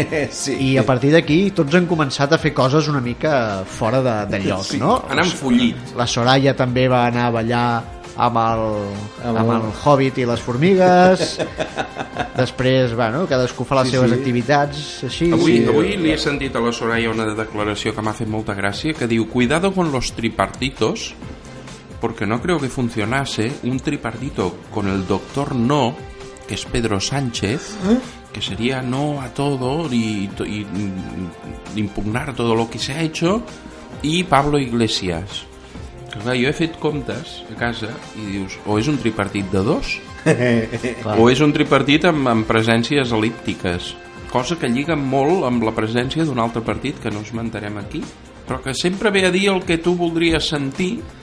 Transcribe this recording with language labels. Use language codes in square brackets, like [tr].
[ca] Sí. I a partir d'aquí tots han començat a fer coses una mica fora de lloc, sí. No? Han enfollit. La Soraya també va anar a ballar amb el Hobbit i les formigues. Després, bueno, cadascú fa les seves activitats. Així. Avui li he sentit a la Soraya una declaració que m'ha fet molta gràcia, que diu: [es] cuidado con los tripartitos, porque no creo que funcionase un tripartito con el doctor No, que es Pedro Sánchez, que sería no a todo y impugnar todo lo que se ha hecho, y Pablo Iglesias. [ca] Clar, jo he fet comptes a casa i dius, o és un tripartit de dos, o és un tripartit amb presències elíptiques, cosa que lliga molt amb la presència d'un altre partit que no esmentarem aquí, però que sempre ve a dir el que tu voldries sentir.